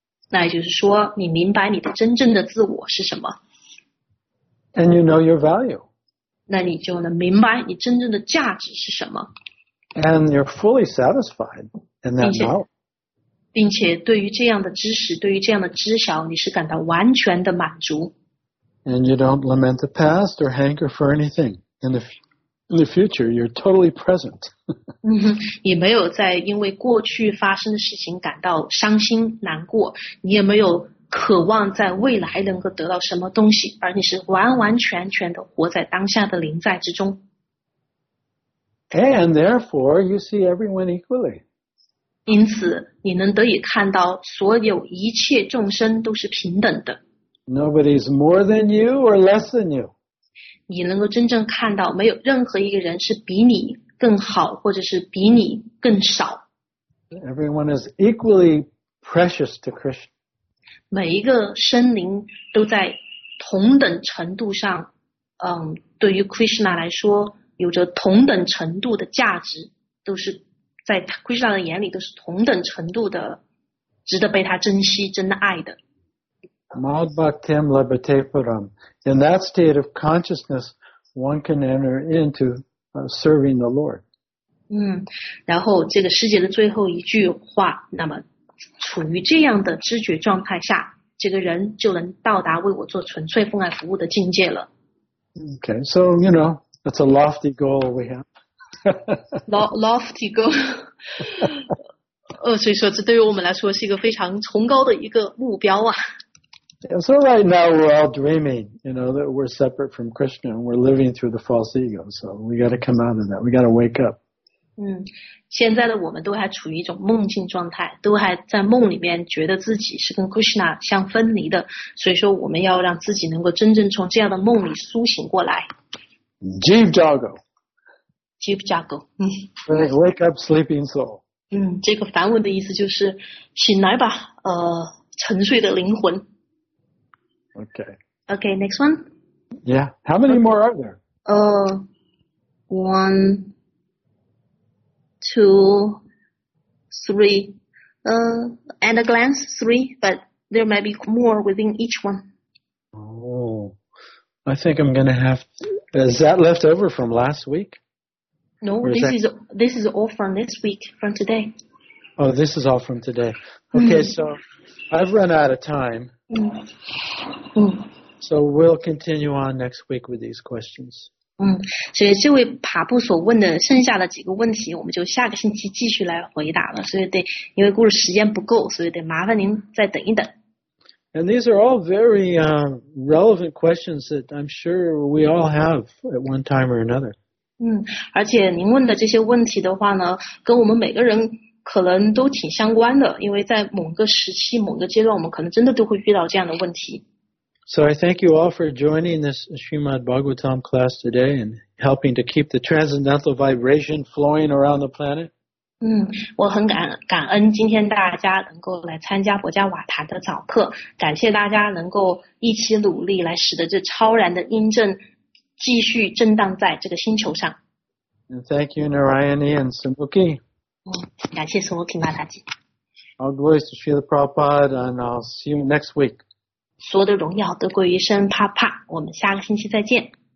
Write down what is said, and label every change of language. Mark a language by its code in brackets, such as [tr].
[zh] 那也就是说你明白你的真正的自我是什么。 [en] And you know your value. [zh] 那你就能明白你真正的价值是什么。 [en] And you're fully satisfied in that knowledge. [zh] 并且对于这样的知识，对于这样的知晓，你是感到完全的满足。 [en] And you don't lament the past or hanker for anything. In the future, you're totally present. [zh] 你没有在因为过去发生的事情感到伤心难过，你也没有渴望在未来能够得到什么东西，而你是完完全全的活在当下的临在之中。 [en] And therefore, you see everyone equally. [zh] 因此你能得以看到所有一切众生都是平等的。 [en] Nobody's more than you or less than you. [zh] 你能够真正看到没有任何一个人是比你更好或者是比你更少。 [en] Everyone is equally precious to Krishna. [zh] 每一个生灵都在同等程度上对于 Krishna 来说有着同等程度的价值，都是在 Krishna 的眼里都是同等程度的值得被他珍惜真爱的。 [sa] Mad Bhaktim Labhate Purum. [en] In that state of consciousness, one can enter into serving the Lord. [zh] 然后这个诗节的最后一句话，那么处于这样的知觉状态下，这个人就能到达为我做纯粹奉爱服务的境界了。 [en] Okay, so, you know, that's a lofty goal we have. Lofty goal. [zh] 所以说这对于我们来说是一个非常崇高的一个目标啊。 [en] Yeah, so right now we're all dreaming, you know, that we're separate from Krishna and we're living through the false ego. So we got to come out of that. We got to wake up. [zh] 现在的我们都还处于一种梦境状态，都还在梦里面觉得自己是跟 Krishna 相分离的。所以说我们要让自己能够真正从这样的梦里苏醒过来。 [bn] Jeev Jago. Jeev Jago. [en] Wake up, sleeping soul. [zh] 这个梵文的意思就是醒来吧，沉睡的灵魂。 [en] Okay. Okay, next one. Yeah. How many more are there? One, two, three. At a glance, three, but there might be more within each one. Oh, I think I'm going to have... Is that left over from last week? No, this is all from this week, from today. Oh, this is all from today. Okay, so I've run out of time. So we'll continue on next week with these questions. [zh] 所以这位爬布所问的剩下的几个问题，我们就下个星期继续来回答了。所以得，因为故事时间不够，所以得麻烦您再等一等。 [en] And these are all very relevant questions that I'm sure we all have at one time or another. [zh] 而且您问的这些问题的话呢，跟我们每个人可能都挺相关的，因为在某个时期、某个阶段，我们可能真的都会遇到这样的问题。 [en] So I thank you all for joining this Srimad Bhagavatam class today and helping to keep the transcendental vibration flowing around the planet. [zh] 我很感恩今天大家能够来参加博加瓦塔的早课，感谢大家能够一起努力来使得这超然的音振继续震荡在这个星球上。 [en] And thank you, Narayani and Samukhi. [zh] 感谢 Samukhi Mataji. [en] All glories to Srila Prabhupada and I'll see you next week. [zh] 所有的荣耀都归于神帕帕，我们下个星期再见。